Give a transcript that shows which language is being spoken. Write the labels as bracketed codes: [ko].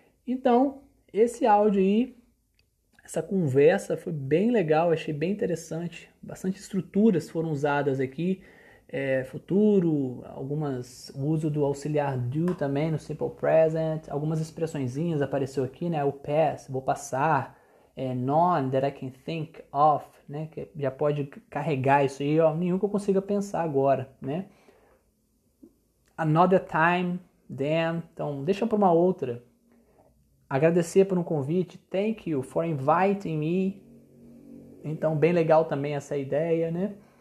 [pt] Então, esse áudio aí, essa conversa foi bem legal, achei bem interessante. Bastante estruturas foram usadas aqui. É, futuro, algumas, o uso do auxiliar do também no simple present, algumas expressõezinhas apareceu aqui, né? O past, vou passar, é, [en] none that I can think of, [pt] né? Que já pode carregar isso aí, ó, nenhum que eu consiga pensar agora, né? [en] Another time, then, [pt] então deixa para uma outra. Agradecer por um convite, [en] thank you for inviting me, [pt] então bem legal também essa ideia, né?